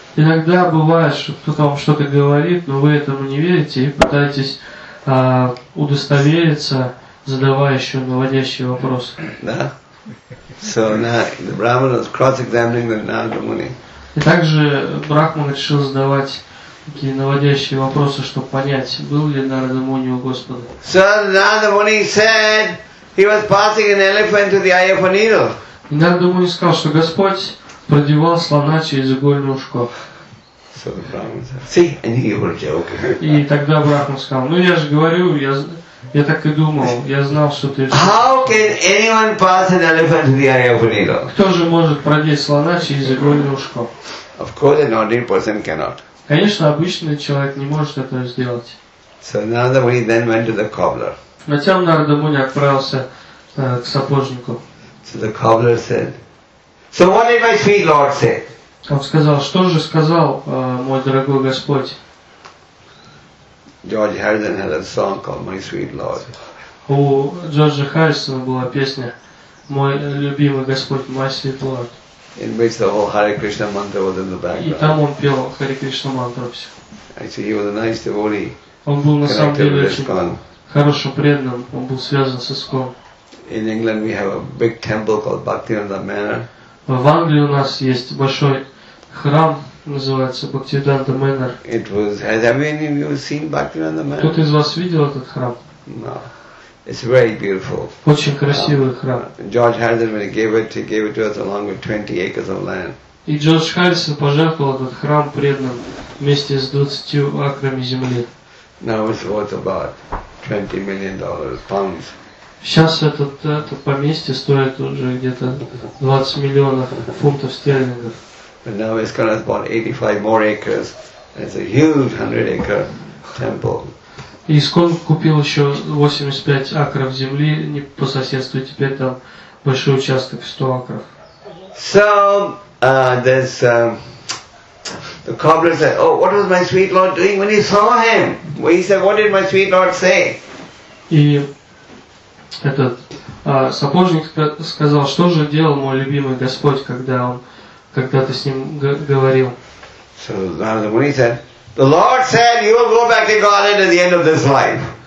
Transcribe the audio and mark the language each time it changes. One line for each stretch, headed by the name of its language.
Russian: Иногда бывает, что кто-то вам что-то говорит, но вы этому не верите и пытаетесь удостовериться, задавая еще наводящие вопросы. Да?
English: So now the Brahmin was cross-examining the Narada Muni.
Russian: И также Брахман решил задавать такие наводящие вопросы, чтобы понять, был ли Нарада Муни у Господа.
English: So Narada Muni said he was passing an elephant to the eye of a needle.
Russian: И Нарада Муни сказал, что Господь продевал слона через игольное ушко.
English: So the Brahmin said, see, I knew you were joking.
Russian: И тогда Брахман сказал, ну я же говорю, я так и думал, я знал, что ты...
English: How can anyone pass an elephant to the eye of a needle?
Russian: Кто же может продеть слона через игольное ушко?
English: Of course, an ordinary person cannot.
Russian: Конечно, обычный человек не может этого сделать.
English: So Narada Muni then went to the cobbler.
Russian: Затем Нарада Муни отправился к сапожнику.
English: So the cobbler said, so what did my sweet Lord say?
Russian: Он сказал, что же сказал мой дорогой Господь?
English: George Harrison had a song called My Sweet Lord.
Russian: У Джорджа Харрисона была песня «Мой любимый Господь, My Sweet Lord».
English: In which the whole Hare Krishna mantra was in the background.
Russian: И там он пел Hare Krishna mantra все.
English: I see he was a nice devotee.
Russian: Он был на самом деле очень хорошим преданным. Он был связан с ИСКОН.
English: In England we have a big temple called Bhaktivedanta Manor.
Russian: В Англии у нас есть большой храм, называется Bhaktivedanta Manor.
English: It was. Have any of you seen Bhaktivedanta Manor?
Russian: Кто-то из вас видел этот храм?
English: No. It's very beautiful.
Russian: Очень красивый храм.
English: George Harrison, when he gave it to us along with 20 acres of land.
Russian: И Джордж Харрисон пожертвовал этот храм преданным вместе с 20 акрами земли.
English: Now it's worth about $20 million pounds.
Russian: Сейчас это поместье стоит уже где-то 20 миллионов фунтов стерлингов.
English: But now it's got about 85 more acres. It's a huge 100-acre temple.
Russian: Искон купил еще 85 акров земли не по соседству, теперь там большой участок 100 акров.
English: So there's the cobbler said, "Oh, what was my sweet lord doing when he saw him?" Well, he said, "What did my sweet lord say?"
Russian: И этот сапожник сказал, что же делал мой любимый Господь, когда ты с ним говорил.
English: So now the money said. The Lord said, "You will go back to Godhead at the end of this life."